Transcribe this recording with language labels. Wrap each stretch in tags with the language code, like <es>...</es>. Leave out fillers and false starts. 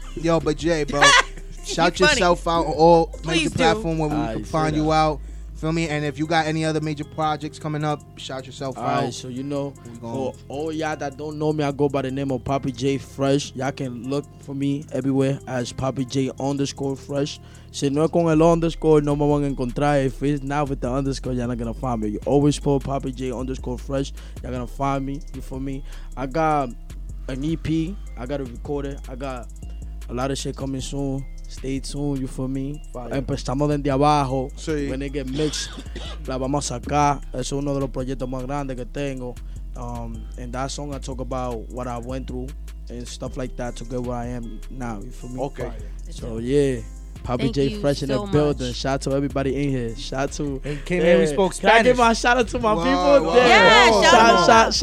<en>Yo, but Jay, bro, shout yourself out on all major platforms where we can find you out. Feel me? And if you got any other major projects coming up, shout yourself out. All right, so you know, for all y'all that don't know me, I go by the name of Papi Jay Fresh. Y'all can look for me everywhere as Papi Jay _ Fresh.</en> <es>Si no es con el _, no me van a encontrar.</es> <en>If it's not with the _, y'all not going to find me. You always put Papi Jay _ Fresh. Y'all going to find me. You feel me? I got an EP. I got it recorded. I got a lot of shit coming soon. Stay tuned, you feel me? Fire.</en> <es>Empezamos desde abajo. Sí.</es> <en>When it get mixed,</en> <es>la vamos a sacar. Es uno de los proyectos más grandes que tengo.</es> <en>And that song, I talk about what I went through and stuff like that to get where I am now, you feel me? Okay. Fire. So, yeah. Papi Jay Fresh in the building. Shout out to everybody in here. Shout out to. And came here, we spoke Spanish. Can I give my shout out to my people? Wow. Yeah, yeah, shout</en>